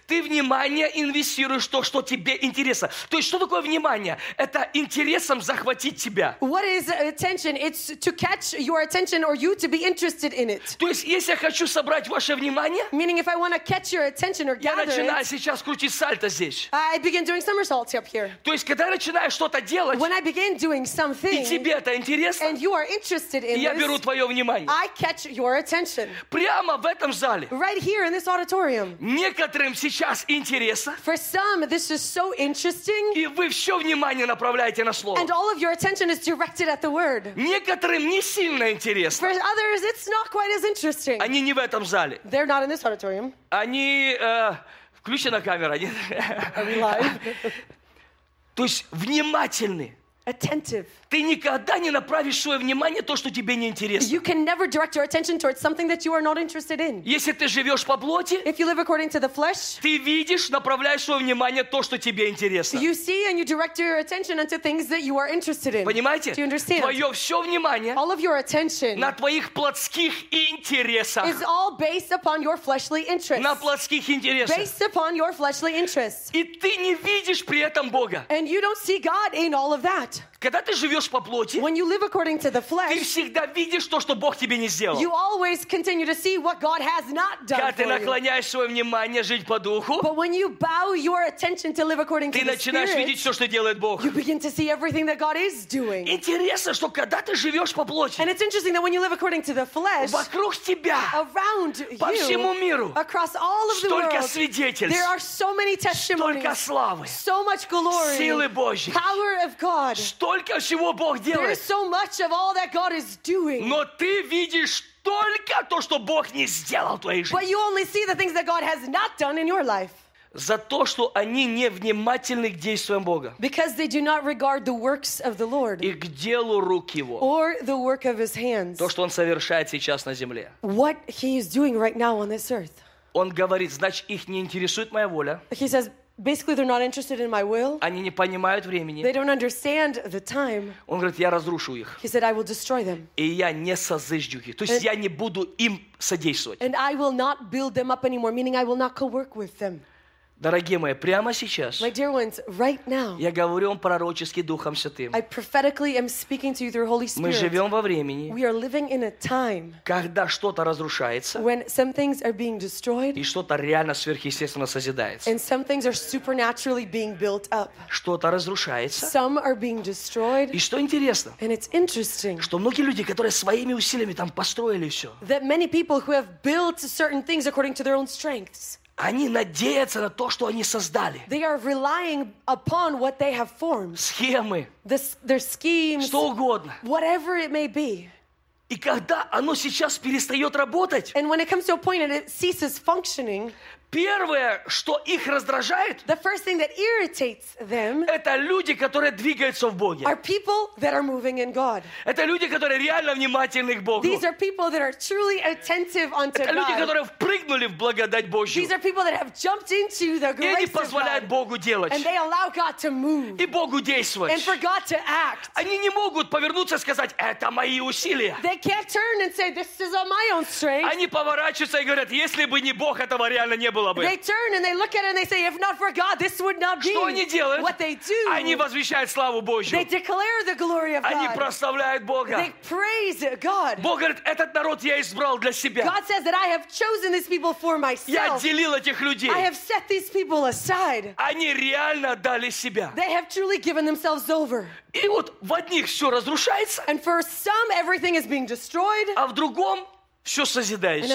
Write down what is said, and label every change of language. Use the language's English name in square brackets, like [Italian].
[Russian] Ты внимание инвестируешь в то, что тебе интересно. То есть, что такое внимание? Это интересно. Интересом захватить тебя. [English] What is attention? It's to catch your attention or you to be interested in it. [Russian] То есть, если я хочу собрать ваше внимание, [English] meaning if I want to catch your attention or gather it, [Russian] я начинаю сейчас крутить сальто здесь. [English] I begin doing somersaults up here. [Russian] То есть, когда я начинаю что-то делать, [English] when I begin doing something, [Russian] и тебе это интересно, [English] and you are interested in it, [Russian] я беру твое внимание. [English] I catch your attention. [Russian] Прямо в этом зале. [English] Right here in this auditorium. [Russian] Некоторым сейчас интересно. [English] For some, this is so interesting. [Russian] И вы все внимание направляете. [English] And all of your attention is directed at the word. [Russian] Некоторым не сильно интересно. [English] For others, it's not quite as interesting. [Russian] Они не в этом зале. [English] They're not in this auditorium. [Russian] Они включена камера, нет? [English] Are we live? [Russian] То есть внимательны. [English] Attentive. [Russian] Ты никогда не направишь свое внимание то, что тебе не интересно. [English] You can never direct your attention towards something that you are not interested in. [Russian] Если ты живешь по плоти, [English] if you live according to the flesh, [Russian] ты видишь, направляешь свое внимание то, что тебе интересно. [English] You see and you direct your attention onto things that you are interested in. [Russian] Понимаете? [English] Do you understand? [Russian] Твое все внимание, [English] all of your attention, [Russian] на твоих плотских интересах, [English] is all based upon your fleshly interests. [Russian] На плотских интересах, [English] based upon your fleshly interests. [Russian] И ты не видишь при этом Бога. [English] And you don't see God in all of that. [Russian] Когда ты живешь по плоти, [English] when you live according to the flesh, [Russian] ты всегда видишь то, что Бог тебе не сделал. [English] You always continue to see what God has not done. [Russian] Когда ты наклоняешь свое внимание жить по духу, [English] but when you bow your attention to live according to the spirit, [Russian] ты начинаешь видеть все, что делает Бог. [English] You begin to see everything that God is doing. [Russian] Интересно, что когда ты живешь по плоти, [English] and it's interesting that when you live according to the flesh, [Russian] вокруг тебя, [English] around [Russian] по [English] you, [Russian] всему миру, [English] across all of the world, [Russian] столько свидетельств, [English] there are so many testimonies, [Russian] столько славы, [English] so much glory, [Russian] силы Божьей, [English] power of God. [Russian] Столько всего Бог делает. [English] There is so much of all that God is doing. [Russian] Но ты видишь только то, что Бог не сделал в твоей жизни. [English] But you only see the things that God has not done in your life. [Russian] За то, что они невнимательны к действиям Бога. [English] Because they do not regard the works of the Lord. [Russian] И к делу рук Его. [English] Or the work of His hands. [Russian] То, что Он совершает сейчас на земле. [English] What He is doing right now on this earth. [Russian] Он говорит, значит, их не интересует моя воля. [English] He says, basically, they're not interested in my will. [Russian] Они не понимают времени. [English] They don't understand the time. [Russian] Он говорит, я разрушу их. [English] He said, I will destroy them. [Russian] И я не созыжу их. То есть я не буду им содействовать. [English] And I will not build them up anymore, meaning I will not co-work with them. [Russian] Дорогие мои, прямо сейчас. [English] My dear ones, right now. [Russian] Я говорю вам пророчески Духом Святым. [English] I prophetically am speaking to you through Holy Spirit. [Russian] Мы живем во времени. [English] We are living in a time. [Russian] Когда что-то разрушается. [English] When some things are being destroyed. [Russian] И что-то реально сверхъестественно созидается. [English] And some things are supernaturally being built up. [Russian] Что-то разрушается. [English] Some are being destroyed. [Russian] И что интересно. [English] And it's interesting. [Russian] Что многие люди, которые своими усилиями там построили все. [English] That many people who have built certain things according to their own strengths. [Russian] Они надеются на то, что они создали. [English] They are relying upon what they have formed. [Russian] Схемы. [English] Their schemes. [Russian] Что угодно. [English] Whatever it may be. [Russian] И когда оно сейчас перестает работать, [English] and when it comes to a point and it ceases functioning, [Russian] Первое, что их раздражает, [English] the first thing that irritates them, [Russian] это люди, которые двигаются в Боге. [English] Are people that are moving in God. [Russian] Это люди, которые реально внимательны к Богу. [English] These are people that are truly attentive unto [Russian] это [English] God. [Russian] Люди, которые впрыгнули в благодать Божью. [English] These are people that have jumped into the grace of God. [Russian] И они позволяют Богу делать. [English] And they allow God to move. [Russian] И Богу действовать. [English] And for God to act. [Russian] Они не могут повернуться и сказать, это мои усилия. [English] They can't turn and say, this is all my own strength. [Russian] Они поворачиваются и говорят, если бы не Бог, этого реально не было бы. [English] They turn and they look at it and they say, if not for God, this would not be. [Russian] Что они делают? [English] What they do. [Russian] Они возвещают славу Божью. [English] They declare the glory of God. [Russian] Они прославляют Бога. [English] They praise God. [Russian] Бог говорит, этот народ я избрал для себя. [English] God says that I have chosen these people for myself. [Russian] Я отделил этих людей. [English] I have set these people aside. [Russian] Они реально отдали себя. [English] They have truly given themselves over. [Russian] И вот в одних все разрушается. [English] And for some, everything is being destroyed. [Russian] А в другом все созидается.